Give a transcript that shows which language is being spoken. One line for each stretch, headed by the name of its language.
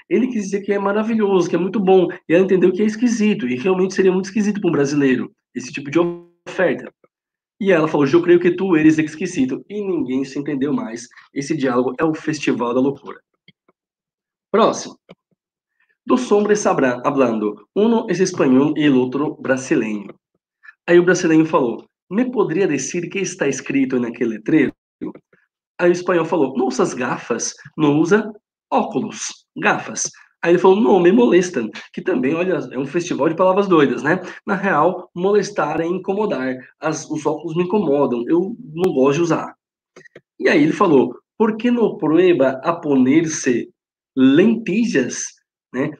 Portuguese: Ele quis dizer que é maravilhoso, que é muito bom. E ela entendeu que é esquisito. E realmente seria muito esquisito para um brasileiro esse tipo de oferta. E ela falou, eu creio que
Spanish: tu eres exquisito.
Portuguese: E ninguém se entendeu mais. Esse diálogo é o festival da loucura. Próximo.
Spanish: Dos hombres hablando. Uno es español y el otro brasileño.
Portuguese: Aí o brasileño falou,
Spanish: me podría decir que está escrito en aquel letrero?
Portuguese: Aí o espanhol falou,
Spanish: no usas gafas, no usa óculos, gafas.
Portuguese: Aí ele falou,
Spanish: no, me molestan,
Portuguese: que também, olha, é um festival de palavras doidas, né? Na real, molestar é incomodar, os óculos me incomodam, eu não gosto de usar. E aí ele falou,
Spanish: por que no prueba a poner-se lentillas? Né?